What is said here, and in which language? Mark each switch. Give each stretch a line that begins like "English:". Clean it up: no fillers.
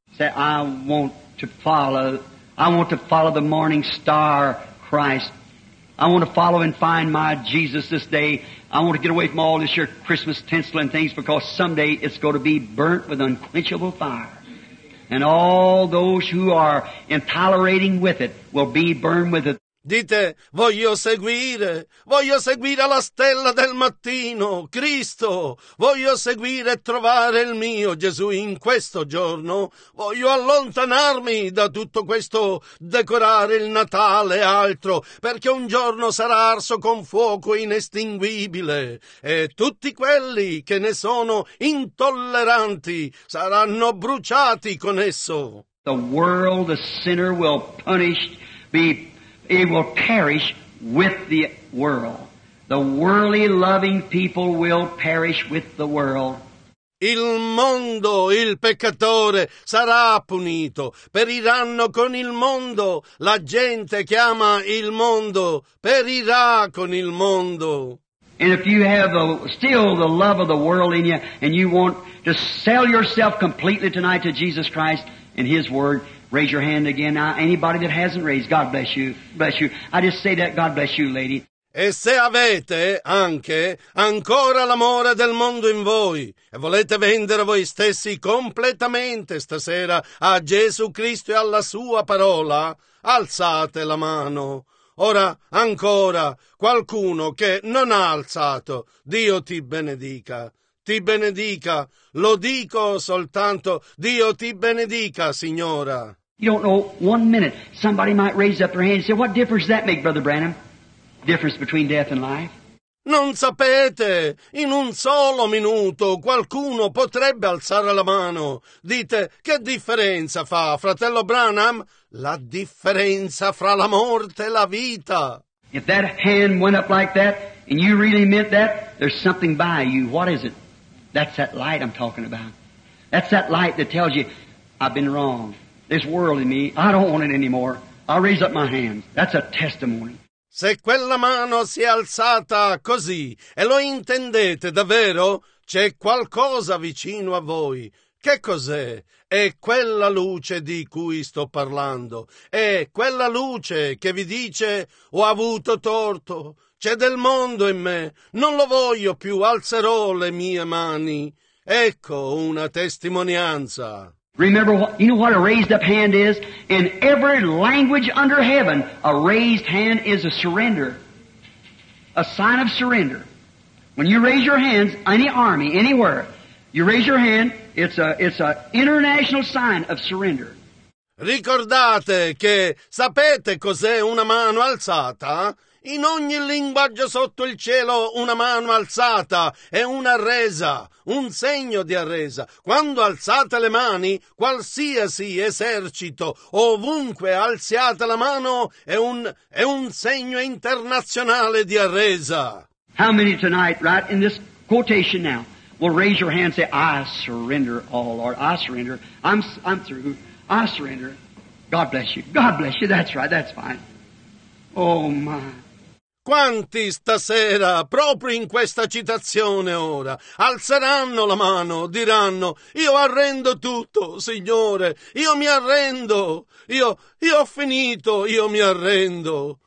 English: Say, I want to follow the morning star, Christ. I want to follow and find my Jesus this day. I want to get away from all this your Christmas tinsel and things, because someday it's going to be burnt with unquenchable fire. And all those who are intolerating with it will be burned with it.
Italian: Dite, voglio seguire la stella del mattino, Cristo, voglio seguire e trovare il mio Gesù in questo giorno, voglio allontanarmi da tutto questo decorare il Natale e altro, perché un giorno sarà arso con fuoco inestinguibile, e tutti quelli che ne sono intolleranti saranno bruciati con esso.
English: The world, the sinner will punish, it will perish with the world. The worldly loving people will perish with the world.
Italian: Il mondo, il peccatore, sarà punito. Periranno con il mondo. La gente che ama il mondo perirà con il mondo.
English: And if you have still the love of the world in you and you want to sell yourself completely tonight to Jesus Christ and His Word, raise your hand again. Now, anybody that hasn't raised, God bless you. Bless you. I just say that, God bless you, lady.
Italian: E se avete anche ancora l'amore del mondo in voi e volete vendere voi stessi completamente stasera a Gesù Cristo e alla sua parola, alzate la mano. Ora, ancora, qualcuno che non ha alzato, Dio ti benedica. ti benedica. Lo dico soltanto, Dio ti benedica, signora.
English: You don't know, one minute, somebody might raise up their hand and say, what difference does that make, Brother Branham? Difference between death and life?
Italian: Non sapete, in un solo minuto qualcuno potrebbe alzare la mano. Dite, che differenza fa, fratello Branham? La differenza fra la morte e la vita.
English: If that hand went up like that, and you really meant that, there's something by you. What is it? That's that light I'm talking about. That's that light that tells you, I've been wrong. This world in me, I don't want it anymore. I'll raise up my hands. That's a testimony.
Italian: Se quella mano si è alzata così e lo intendete davvero, c'è qualcosa vicino a voi. Che cos'è? È quella luce di cui sto parlando. È quella luce che vi dice ho avuto torto, c'è del mondo in me, non lo voglio più, alzerò le mie mani. Ecco una testimonianza.
English: Remember, you know what a raised up hand is? In every language under heaven, a raised hand is a surrender, a sign of surrender. When you raise your hands, any army, anywhere, you raise your hand, it's a international sign of surrender.
Italian: Ricordate che sapete cos'è una mano alzata? In ogni linguaggio sotto il cielo una mano alzata è una resa, un segno di arresa. Quando alzate le mani, qualsiasi esercito, ovunque alziate la mano, è un segno internazionale di arresa.
English: How many tonight, right in this quotation now, will raise your hand and say, I surrender all, Lord, I surrender, I'm through, I surrender. God bless you, that's right, that's fine. Oh my.
Italian: Quanti stasera, proprio in questa citazione ora, alzeranno la mano, diranno, io arrendo tutto, Signore, io mi arrendo, io ho finito, io mi arrendo.